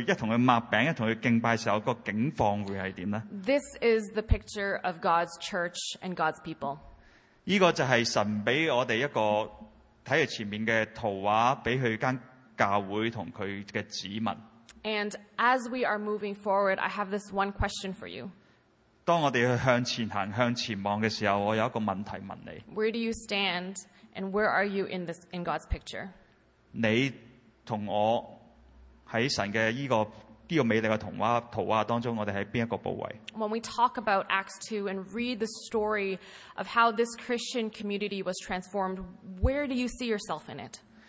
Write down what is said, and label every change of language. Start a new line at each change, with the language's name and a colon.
Chinese: 你試想一下,當我們一班人不同年紀的,一同去學習,一同去成長,一同去讀神的話語,一同去抹餅,一同去敬拜時,那個景況會是怎樣呢?
English: This is the picture of God's church and God's people.
Chinese: 這個就是神給我們一個看著前面的圖畫,給他一間教會和他的子民。
English: And as we are moving forward, I have this one question for you.
Chinese: 当我们向前行,向前望的时候,我有一个问题问你。
English: Where do you stand and where are you in this in God's picture?
Chinese: 你同我在神的这个美丽的图画当中,我们在哪个部位?
English: When we talk about Acts 2 and read the story of how this Christian community was transformed, where do you see yourself in it?